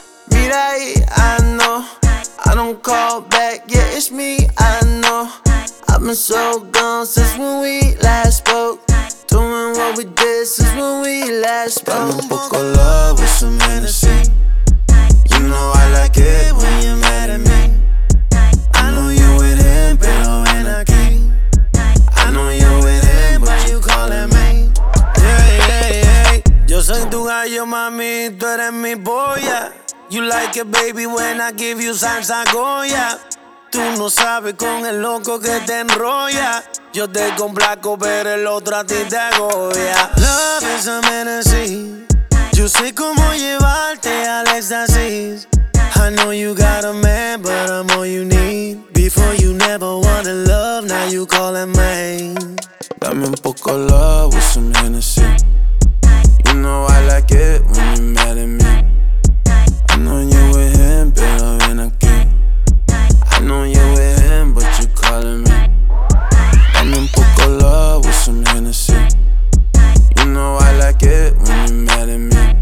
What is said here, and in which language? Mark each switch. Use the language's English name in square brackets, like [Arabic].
[Spanish] Mira ahí, [English] I know I don't call back, yeah, it's me, I know. I've been so gone since when we last spoke. Doing what we did since when we last spoke. Got a book of love with some Hennessy. You know I like it when you're mad at me. I know you with him, [Spanish] pero ven aquí. [English] I know you with him, but you calling me. Yeah, yeah, yeah. [Spanish] Yo soy tu gallo, mami, tú eres mi polla. [English] You like it, baby, when I give you salsa Goya. [Spanish] Tú no sabes con el loco que te enrolla. Yo te complaco, pero el otro a ti te agobia. [English] Love is a menacing. [Spanish] Yo sé cómo llevarte al éxtasis. [English] I know you got a man, but I'm all you need. Before you never wanted love, now you calling me. [Spanish] Dame un poco [English] love with some Hennessy. You know I like it when you're mad at me. I know you with him, [Spanish] pero ven aquí. [English] I know you with him, but you calling me. [Spanish] Dame un poco [English] love with some Hennessy. You know I like it when you're mad at me.